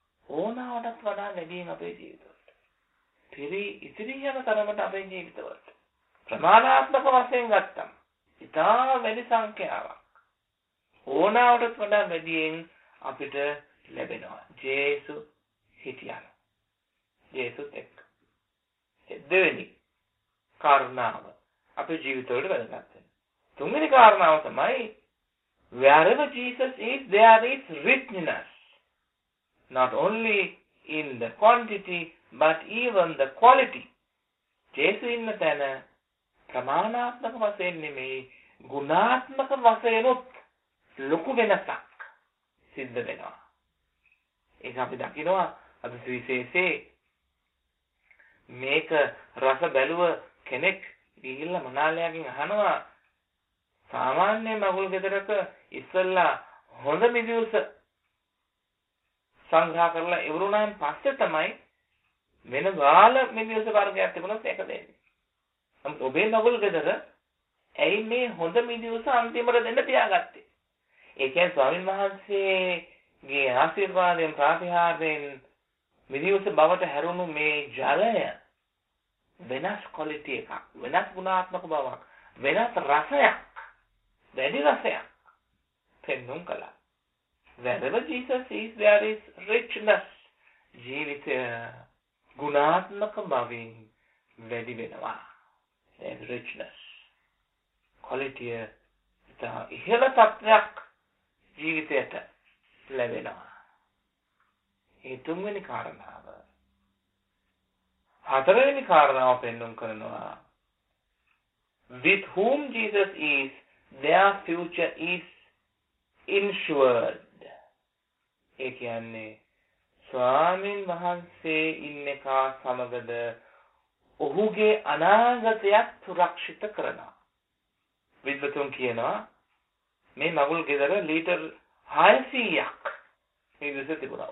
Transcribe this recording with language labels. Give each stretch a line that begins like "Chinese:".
Sinhala: ඕනාවටත් වඩා වැඩියෙන් අපේ ජීවිතවලට පිරි ඉතිරි යන තරමට අපේ ජීවිතවලට ප්‍රමාණාත්මක වශයෙන් ගත්තම් ඉතා වැඩි සංඛ්‍යාවක් ඕනාවටත් වඩා වැඩියෙන් අපිට ලැබෙනවා. ජේසු හිටියන ජේසු එක්ක දෙවෙනි කාරණාව අපේ ජීවිතවලට වැදගත් වෙනවා. තුන්වෙනි කාරණාව තමයි
English: wherever Jesus is there is richness not only in the quantity but even the quality.
Sinhala: ජේසු ඉන්න තැන ප්‍රමාණාත්මක වශයෙන් නෙමෙයි ගුණාත්මක වශයෙන් උත් ලොකු වෙනසක් සිද්ධ වෙනවා. ඒක අපි දකිනවා අද සුවිශේෂයේ. මේක රස බැලුව කෙනෙක් ගිහිල්ලා මනාලයාගෙන් අහනවා සාමාන්‍ය මගුල් ගෙදරක ඉස්සල්ලා හොඳ මිදුස සංග්‍රහ කරලා ඉවරුණාන් පස්සේ තමයි වෙන ගාල මිදුස වර්ගයක් තිබුණොත් ඒක දෙන්නේ. නමුත් ඔබේ මගුල් ගෙදර ඇයි මේ හොඳ මිදුස අන්තිමට දෙන්න තියාගත්තේ? ඒ කියන්නේ ස්වාමීන් වහන්සේගේ ආශිර්වාදයෙන් ප්‍රාතිහාර්යෙන් මිදුස බවට හැරුණු මේ ජලය වෙනස් ක්වලිටි එකක් වෙනස් ගුණාත්මක බවක් වෙනස් රසයක් වැඩි රසයක් පෙන්නුම් කළා.
English: Wherever Jesus is, there is richness.
Sinhala: ජීවිතය ගුණාත්මක බවින් වැඩි වෙනවා.
English: There is richness.
Sinhala: Quality ඉහළ තත්ත්වයක් ජීවිතයට ලැබෙනවා. ඒ තුන්වෙනි කාරණාව. හතරවෙනි කාරණාව පෙන්නුම් කරනවා.
English: With whom Jesus is, their future is insured.
Sinhala: ඒ කියන්නේ ස්වාමීන් වහන්සේ ඉන්න කා සමගද ඔහුගේ අනාගතයත් සුරක්ෂිත කරනවා. විද්වතුන් කියනවා මේ මගුල් ගෙදර ලීටර් 600ක් මේ දෙස තිබුණා.